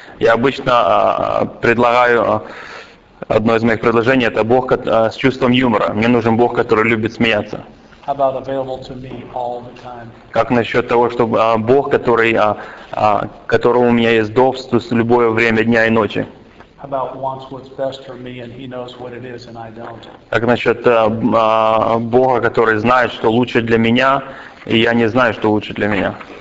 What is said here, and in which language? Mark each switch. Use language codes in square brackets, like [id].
[ru] Я обычно предлагаю одно из моих предложений это Бог с чувством юмора. Мне нужен Бог, который любит смеяться. [en] How about available to me all the time? [ru] Как насчет того, чтобы Бог, который которому у меня есть доступ в любое время дня и ночи? [en] How about wants what's best for me and he knows what it is and I don't? [ru] Как насчет Бога, который знает, что лучше для меня? И я не знаю, что лучше для меня.